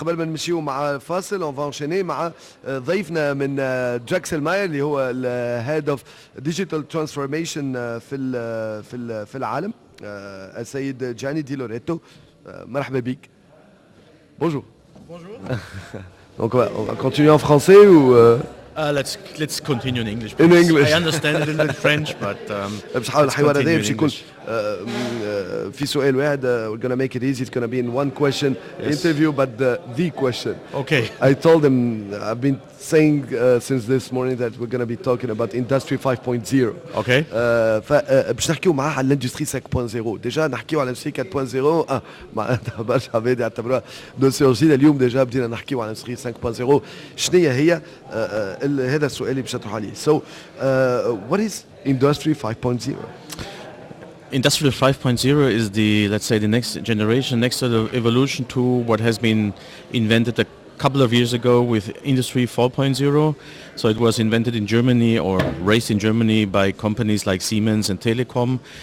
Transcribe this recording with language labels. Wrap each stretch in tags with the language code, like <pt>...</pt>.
<ar>قبل ما نمشي مع فاصل اون فانشيني مع ضيفنا من دراكسل ماير اللي هو</ar> <en>الهيد of digital transformation</en> <ar>في في في العالم السيد جاني دي لوريتو. مرحبا بك. بونجور.</ar> <fr>بونجور. دونك اون كونتينيو ان فرونسي او</fr> <en>let's continue in English. In English. I understand it in the French, but let's continue in English.</en> <ar>في سؤال واحد,</ar> <en>we're going to make it easy. It's going to be in one question interview, but the question. Okay. I told him, I've been saying since this morning that we're going to be talking about Industry 5.0. Okay.</en> <ar>باش نحكيو معاه على الاندستري 5.0. ديجا نحكيو على الاندستري 4.0, معناتها برشا عباد يعتبروها دوسيو جديد. اليوم ديجا بدينا نحكيو على الاندستري 5.0. شنو هي هذا السؤال اللي باش نطرح عليه؟</ar> <en>So, what is Industry 5.0? Industry 5.0 is the, let's say, the next generation, next sort of evolution to what has been invented a couple of years ago with Industry 4.0. So it was invented in Germany or raised in Germany by companies like Siemens and Telecom.</en>